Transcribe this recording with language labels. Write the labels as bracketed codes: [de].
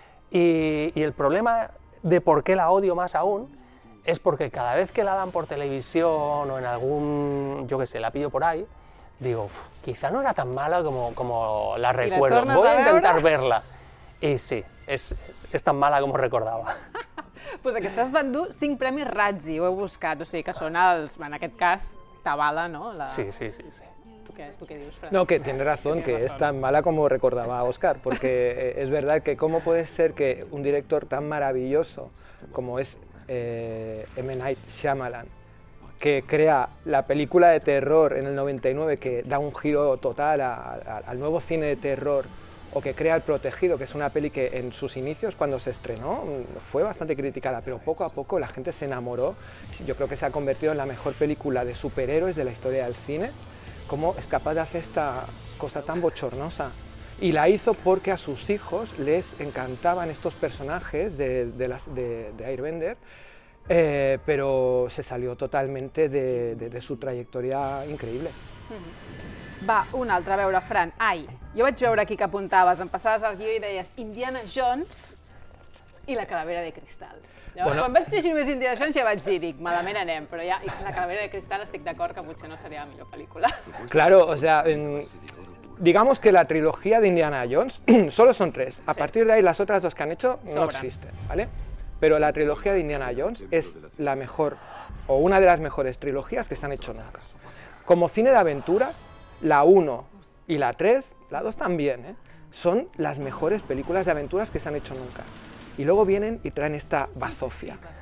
[es] Y el problema de por qué la odio más aún es porque cada vez que la dan por televisión o en algún, yo qué sé, la pillo por ahí, digo, quizá no era tan mala como la recuerdo. Voy a intentar verla. Y sí, es tan mala como recordaba. [ca] Pues aquestes van dur 5 premis Razzie, ho he buscat. O sigui, que són els, en aquest cas, Tabala, no? Sí. ¿Tú qué dius, Fran? [es] No, que tiene razón, que es tan mala como recordaba a Oscar. Porque es verdad que cómo puede ser que un director tan maravilloso como es M. Night Shyamalan, que crea la película de terror en el 99, que da un giro total al nuevo cine de terror, o que crea El Protegido, que es una peli que en sus inicios, cuando se estrenó, fue bastante criticada, pero poco a poco la gente se enamoró. Yo creo que se ha convertido en la mejor película de superhéroes de la historia del cine. ¿Cómo es capaz de hacer esta cosa tan bochornosa? Y la hizo porque a sus hijos les encantaban estos personajes de Airbender, pero se salió totalmente de su [ca] trajectòria increïble. Va, una altra, a veure, Fran. Ai, jo vaig veure aquí que apuntaves, em passaves el guió i deies Indiana Jones i la calavera de cristal. Llavors, bueno, quan vaig llegir més Indiana Jones ja vaig dir, dic, malament anem, però ja, la calavera de cristal estic d'acord que potser no seria la millor pel·lícula. [es] Claro, o sea, digamos que la [ca] trilogia d'Indiana Jones, [es] solo son tres, a partir d'ahí las otras dos que han hecho no existen, ¿vale? Pero la trilogía de Indiana Jones es la mejor, o una de las mejores trilogías que se han hecho nunca. Como cine de aventuras, la 1 y la 3, la 2 también, son las mejores películas de aventuras que se han hecho nunca. Y luego vienen y traen esta bazofia.